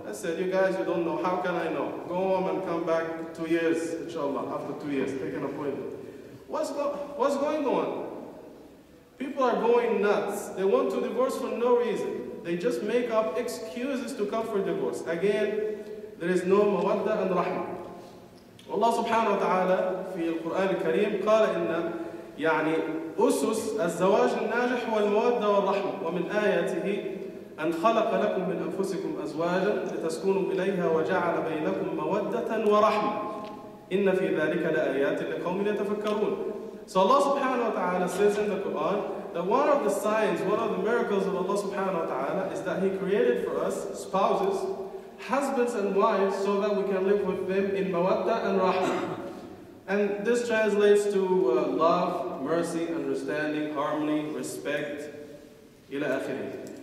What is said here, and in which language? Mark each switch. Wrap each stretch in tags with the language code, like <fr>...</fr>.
<en>I said, you guys, you don't know, how can I know? Go home and come back 2 years, inshallah, after 2 years, take an appointment. What's going on? People are going nuts. They want to divorce for no reason. They just make up excuses to come for divorce. Again, there is no mawadda and rahma.</en> <ar>والله سبحانه وتعالى في القرآن الكريم قال إن يعني أسس الزواج الناجح هو المودة والرحمة، ومن آياته أن خلق لكم من أنفسكم أزواجا لتسكنوا إليها وجعل بينكم مودة ورحمة إن في ذلك لآيات لقوم يتفكرون.</ar> <en>So Allah</en> <ar>سبحانه وتعالى</ar> <en>says in the Quran that one of the signs, one of the miracles of Allah سبحانه وتعالى is that He created for us spouses, husbands and wives, so that we can live with them in mawadda and rahma. And this translates to love, mercy, understanding, harmony, respect,</en> <ar>إلى آخره.</ar>